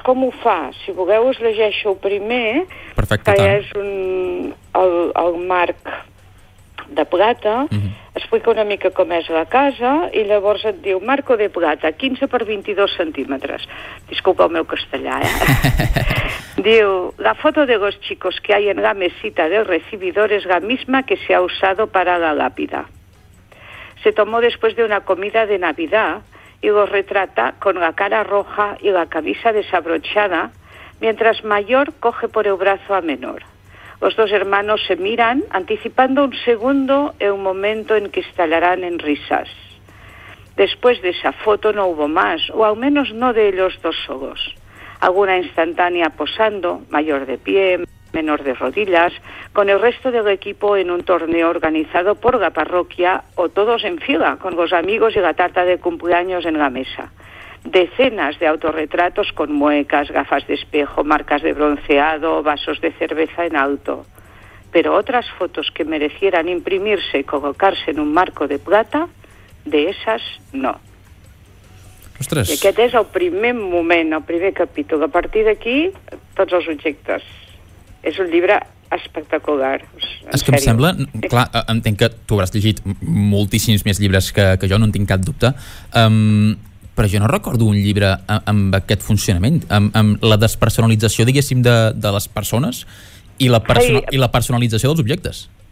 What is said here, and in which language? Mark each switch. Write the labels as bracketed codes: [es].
[ca] Com ho fa? Si voleu us llegeixo el primer. Perfecte, que tant. És el marc de plata, mm-hmm. explica una mica com és la casa i llavors et diu marco de plata, 15 per 22 centímetres. Disculpa el meu castellà, eh? [es] Diu, la foto de los chicos que hay en la mesita del recibidor es la misma que se ha usado para la lápida. Se tomó después de una comida de Navidad y lo retrata con la cara roja y la camisa desabrochada mientras mayor coge por el brazo a menor. Los dos hermanos se miran, anticipando un segundo el momento en que estallarán en risas. Después de esa foto no hubo más, o al menos no de ellos dos solos. Alguna instantánea posando, mayor de pie, menor de rodillas, con el resto del equipo en un torneo organizado por la parroquia, o todos en fila, con los amigos y la tarta de cumpleaños en la mesa. Decenas de autorretratos con muecas, gafas de espejo, marcas de bronceado, vasos de cerveza en alto. Pero otras fotos que merecieran imprimirse y colocarse en un marco de plata, de esas no. [ca] Ostres. I aquest és el primer moment, el primer capítol. A partir d'aquí, tots els objectes. És un llibre espectacular. És que em sembla, clar, entenc que tu hauràs llegit moltíssims més llibres que jo, no en tinc cap dubte. Però jo no recordo un llibre amb aquest funcionament, amb la despersonalització, diguéssim, de les persones i i la personalització dels objectes.